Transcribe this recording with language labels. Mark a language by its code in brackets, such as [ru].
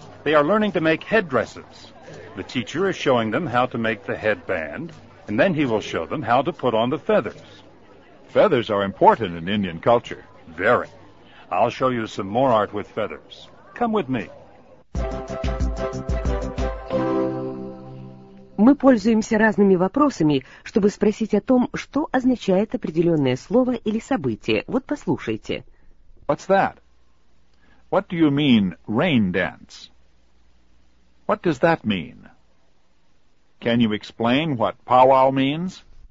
[en] They are learning to make headdresses. The teacher is showing them how to make the headband, and then he will show them how to put on the feathers. Feathers are important in Indian culture. Very. I'll show you some more art with feathers. Come with me. [ru] Мы пользуемся разными вопросами, чтобы спросить о том, что означает определенное слово или событие. Вот послушайте. [en] What's that? What do you mean, rain dance? What does that mean? Can you explain what powwow means?